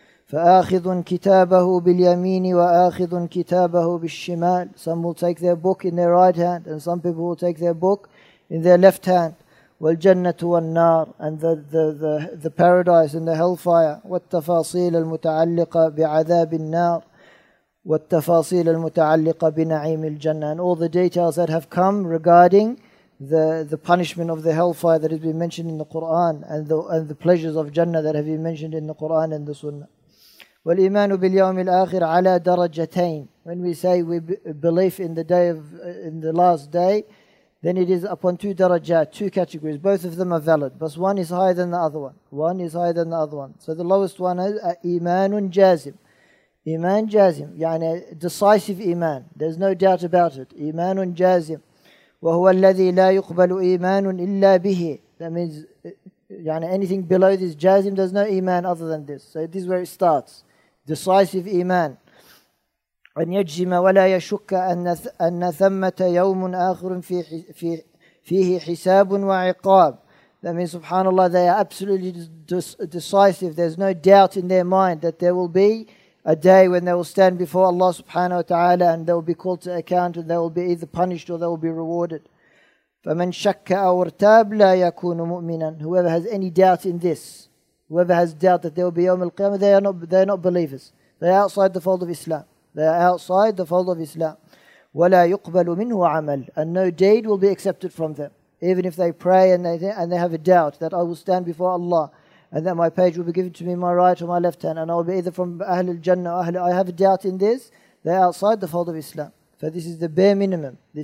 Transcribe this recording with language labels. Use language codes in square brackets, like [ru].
[ar] فآخذ كتابه باليمين وآخذ كتابه بالشمال. [en] Some will take their book in their right hand, and some people will take their book in their left hand. [ar] والجنة والنار, [en] and the paradise and the hellfire. [ar] والتفاصيل المتعلقة بعذاب النار والتفاصيل المتعلقة بنعيم الجنة, [en] and all the details that have come regarding the punishment of the hellfire that has been mentioned in the Quran, and the pleasures of Jannah that have been mentioned in the Quran and the Sunnah. [ar] والإيمان باليوم الآخر على درجتين. [en] When we say we believe in the day of in the last day, then it is upon two درجات, two categories. Both of them are valid, but one is higher than the other one. One is higher than the other one. So the lowest one is [ar] إيمان جازم. إيمان جازم, [en] decisive إيمان. There's no doubt about it. [ar] إيمان جازم. وهو الذي لا يقبل إيمان إلا به. [en] That means, anything below this جازم, there's no إيمان other than this. So this is where it starts. Decisive Iman. [ar] أن يجزم ولا يشك أن ثمة يوم آخر فيه حساب وعقاب. [en] That means, subhanAllah, they are absolutely decisive. There's no doubt in their mind that there will be a day when they will stand before Allah subhanahu wa ta'ala, and they will be called to account, and they will be either punished or they will be rewarded. [ar] فمن شك أو ارتاب لا يكون مؤمنا. [en] Whoever has any doubt in this, whoever has doubt that there will be Yawm al-Qiyamah, they are not believers. They are outside the fold of Islam. [ar] وَلَا يُقْبَلُ مِنْهُ عَمَلٌ, [en] and no deed will be accepted from them. Even if they pray and they have a doubt that I will stand before Allah and that my page will be given to me, my right or my left hand, and I will be either from Ahl al-Jannah or Ahl, I have a doubt in this, they are outside the fold of Islam. So this is the bare minimum.